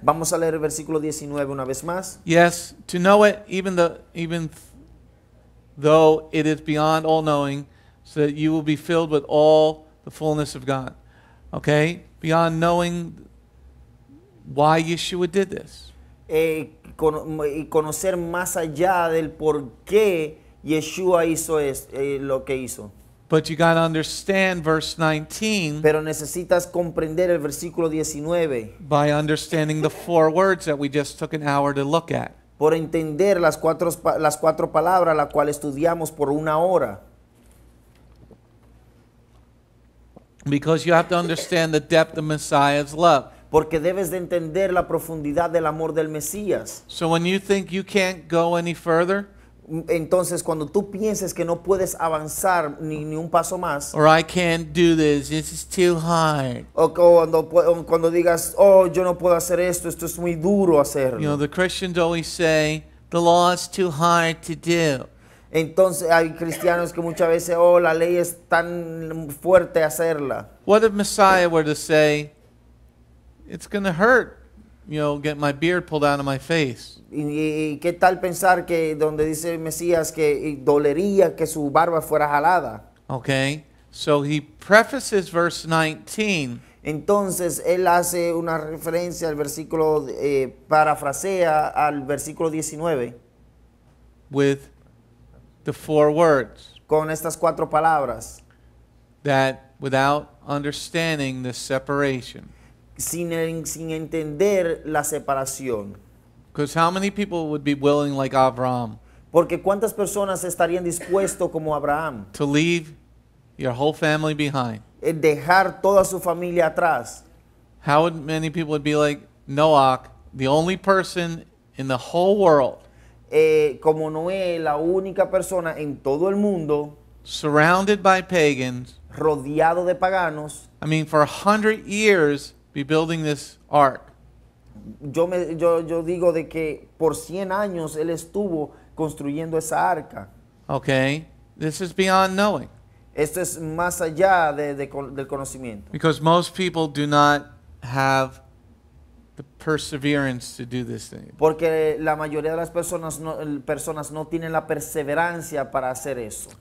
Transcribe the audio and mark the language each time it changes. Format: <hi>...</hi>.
<es>Vamos a leer el versículo 19 una vez más.</es> <en>Yes, to know it, even though it is beyond all knowing, so that you will be filled with all the fullness of God. Okay, beyond knowing why Yeshua did this.</en> <es>Y conocer más allá del por qué Yeshua hizo lo que hizo.</es> <en>But you got to understand verse 19.</en> <es>Pero necesitas comprender el versículo 19.</es> <en>By understanding the four words that we just took an hour to look at.</en> <es>Por entender las cuatro palabras las cuales estudiamos por una hora.</es> <en>Because you have to understand the depth of Messiah's love.</en> <es>Porque debes de entender la profundidad del amor del Mesías.</es> <en>So when you think you can't go any further.</en> <es>Entonces, cuando tú pienses que no puedes avanzar ni un paso más,</es> <en>or I can't do this, this is too hard.</en> <es>O cuando digas, oh, yo no puedo hacer esto, esto es muy duro hacerlo.</es> <en>You know, the Christians always say, the law is too hard to do.</en> <es>Entonces, hay cristianos que muchas veces, oh, la ley es tan fuerte hacerla.</es> <en>What if Messiah were to say, it's going to hurt, you know, get my beard pulled out of my face.</en> <es>¿Y qué tal pensar que donde dice el Mesías que dolería que su barba fuera jalada?</es> <en>Okay, so he prefaces verse 19.</en> <es>Entonces, él hace una referencia al versículo, parafrasea al versículo 19.</es> <en>With the four words.</en> <es>Con estas cuatro palabras.</es> <en>That without understanding the separation.</en> <es>Sin entender la separación.</es> <en>Because how many people would be willing like Abraham?</en> <es>Porque cuántas personas estarían dispuesto como Abraham?</es> <en>To leave your whole family behind.</en> <es>Dejar toda su familia atrás.</es> <en>How would many people would be like, Noach, the only person in the whole world,</en> <es>como Noé, la única persona en todo el mundo,</es> <en>surrounded by pagans,</en> <es>rodeado de paganos,</es> <en>I mean, for 100 years, be building this ark.</en> <es>Yo digo de que por 100 años él estuvo construyendo esa arca.</es> <en>Okay, this is beyond knowing.</en> <es>Esto es más allá del conocimiento.</es> <en>Because most people do not have the perseverance to do this thing.</en> <es>Porque la mayoría de las personas no tienen la perseverancia para hacer eso.</es>